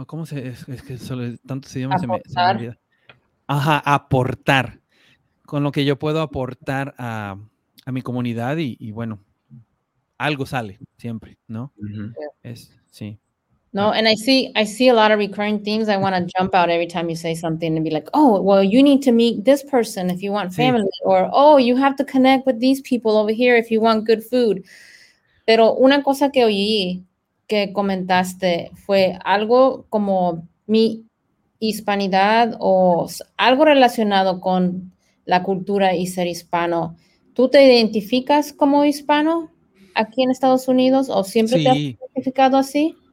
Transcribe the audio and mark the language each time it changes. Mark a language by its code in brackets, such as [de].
[es] ¿Cómo se es que solo, tanto se llama? Aportar. Con lo que yo puedo aportar a mi comunidad y bueno, algo sale siempre, ¿no? Mm-hmm. Sí. [en] No, and I see a lot of recurring themes. I want to jump out every time you say something and be like, oh, well, you need to meet this person if you want family. [es] Sí. [en] Or, oh, you have to connect with these people over here if you want good food. [es] Pero una cosa que oí que comentaste fue algo como mi hispanidad o algo relacionado con la cultura y ser hispano. ¿Tú te identificas como hispano aquí en Estados Unidos o siempre te has identificado así?